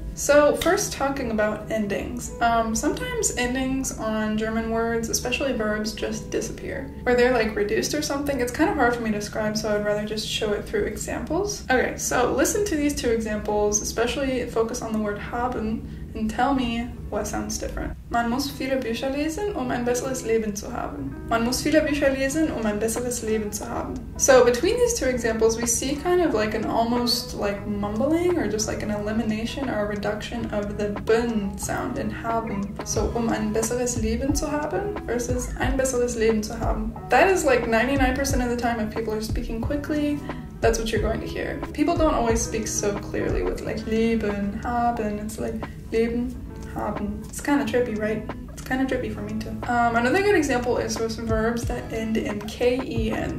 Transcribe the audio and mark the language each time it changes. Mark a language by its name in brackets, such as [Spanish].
[English] So first talking about endings. Sometimes endings on German words, especially verbs, just disappear. Or they're like reduced or something. It's kind of hard for me to describe, so I'd rather just show it through examples. Okay, so listen to these two examples, especially focus on the word haben, and tell me what sounds different. [German] Man muss viele Bücher lesen, ein besseres Leben zu haben. Man muss viele Bücher lesen, ein besseres Leben zu haben. [English] So between these two examples, we see kind of like an almost like mumbling or just like an elimination or a reduction of the bun sound in haben. [German] So ein besseres Leben zu haben versus ein besseres Leben zu haben. [English] That is like 99% of the time if people are speaking quickly, that's what you're going to hear. People don't always speak so clearly with like Leben, haben, it's like Leben. It's kind of trippy, right? It's kind of trippy for me too. Another good example is with some verbs that end in K-E-N.